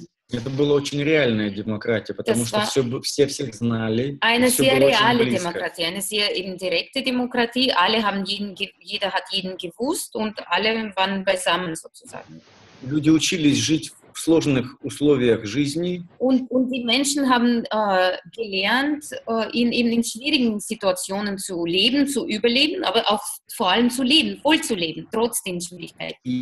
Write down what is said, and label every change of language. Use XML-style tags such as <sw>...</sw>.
<ru>Это была очень реальная демократия, потому что все всех знали.</ru> <de>Eine sehr reale Demokratie, eine sehr eben direkte Demokratie. Alle haben jeder hat jeden gewusst und alle waren beisammen sozusagen.</de> <ru>Люди учились жить в сложных условиях жизни.</ru> <de>Und die Menschen haben gelernt, in schwierigen Situationen zu leben, zu überleben, aber auch vor allem zu leben, voll zu leben, trotz den Schwierigkeiten.</de>